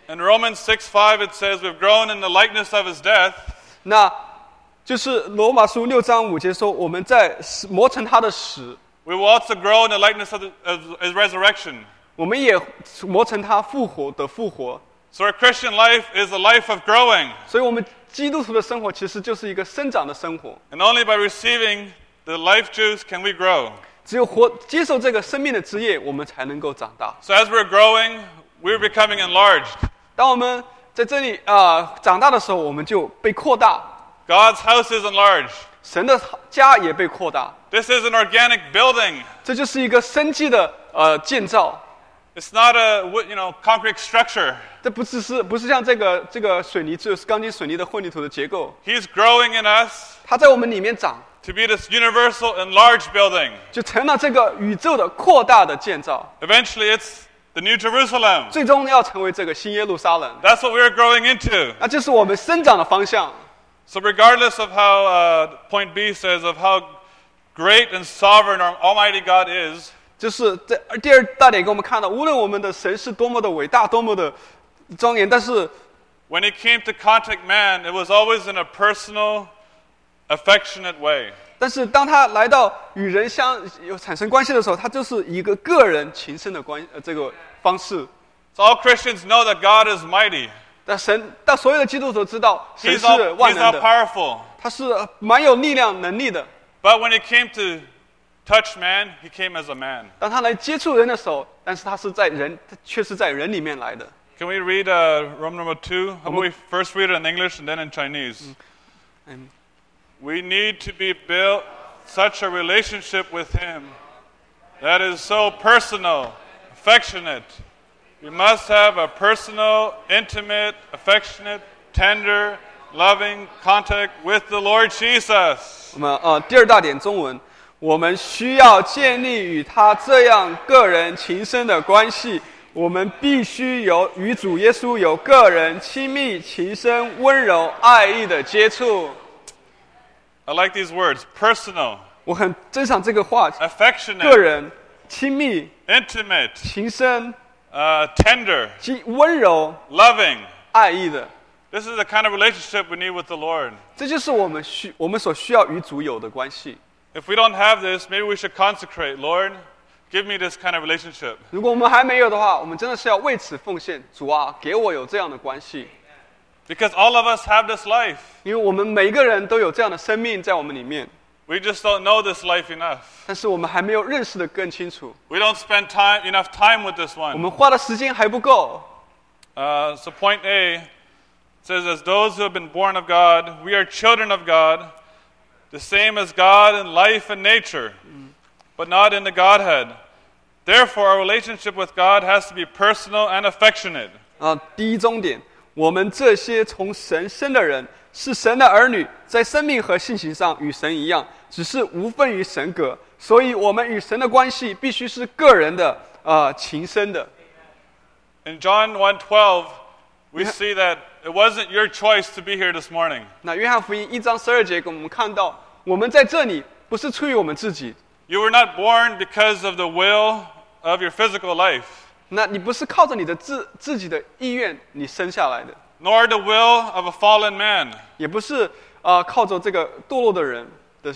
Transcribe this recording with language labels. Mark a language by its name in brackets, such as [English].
[English] In Romans 6:5, it says we've grown in the likeness of his death. [Chinese] 那就是罗马书六章五节说我们在磨成他的死。 [English] We will also grow in the likeness of his resurrection. [Chinese] 我们也磨成他复活的复活。 [English] So our Christian life is a life of growing. [Chinese] 所以我们基督徒的生活其实就是一个生长的生活。 [English] And only by receiving the life juice can we grow. [Chinese] 只有活接受这个生命的汁液，我们才能够长大。 [English] So as we're growing, we're becoming enlarged. [Chinese] 当我们在这里长大的时候，我们就被扩大。 [English] God's house is enlarged. [Chinese] 神的家也被扩大。 [English] This is an organic building. [Chinese] 这就是一个生机的建造。 [English] It's not a concrete structure. [Chinese] 这不是像这个水泥，就是钢筋水泥的混凝土的结构。 [English] He's growing in us. [Chinese] 他在我们里面长。 [English] To be this universal enlarged building. [Chinese] 就成了这个宇宙的扩大的建造。 [English] Eventually, it's the New Jerusalem. [Chinese] 最终要成为这个新耶路撒冷。 [English] That's what we are growing into. [Chinese] 那就是我们生长的方向。 [English] So regardless of how point B says of how great and sovereign our Almighty God is. [Chinese] 就是第二大点给我们看到，无论我们的神是多么的伟大，多么的庄严，但是 [English] When he came to contact man, it was always in a personal affectionate way. [Chinese] 但是当他来到与人相有产生关系的时候，他就是一个个人情深的关这个方式。 [English] So all Christians know that God is mighty. [Chinese] 但神，但所有的基督徒知道神是万能的。 [English] He's all powerful. [Chinese] 他是蛮有力量能力的。 [English] But when he came to touch man, he came as a man. [Chinese] 当他来接触人的时候，但是他是在人，他却是在人里面来的。 [English] Can we read Romans number 2? How about we first read it in English and then in Chinese? We need to be built such a relationship with him that is so personal, affectionate. We must have a personal, intimate, affectionate, tender, loving contact with the Lord Jesus. [Chinese] 我们第二大点中文，我们需要建立与他这样个人情深的关系。我们必须有与主耶稣有个人亲密、情深、温柔、爱意的接触。 [English] I like these words, personal. [Chinese] 我很珍赏这个话。 [English] Affectionate. [Chinese] 个人，亲密。 [English] Intimate. [Chinese] 情深。 [English] Tender. [Chinese] 温柔。 [English] Loving. [Chinese] 爱意的。 [English] This is the kind of relationship we need with the Lord. [Chinese] 这就是我们所需要与主有的关系。 [English] If we don't have this, maybe we should consecrate, Lord, give me this kind of relationship. [Chinese] 如果我们还没有的话，我们真的是要为此奉献。主啊，给我有这样的关系。 [English] Because all of us have this life. [Chinese] 因为我们每个人都有这样的生命在我们里面。 [English] We just don't know this life enough. [Chinese] 但是我们还没有认识得更清楚。 [English] We don't spend enough time with this one. [Chinese] 我们花的时间还不够。 [English] So point A says, as those who have been born of God, we are children of God, the same as God in life and nature, but not in the Godhead. Therefore, our relationship with God has to be personal and affectionate. [Chinese] 第一重点。我们这些从神生的人是神的儿女，在生命和性情上与神一样，只是无分于神格，所以我们与神的关系必须是个人的情深的。 [English] In John 1:12, we see that it wasn't your choice to be here this morning. [Chinese] 那约翰福音一章十二节给我们看到，我们在这里不是出于我们自己。 [English] You were not born because of the will of your physical life. [Chinese] 那你不是靠着你的自己的意愿你生下来的 [English] ，nor the will of a fallen man， [Chinese] 也不是靠着这个堕落的人的意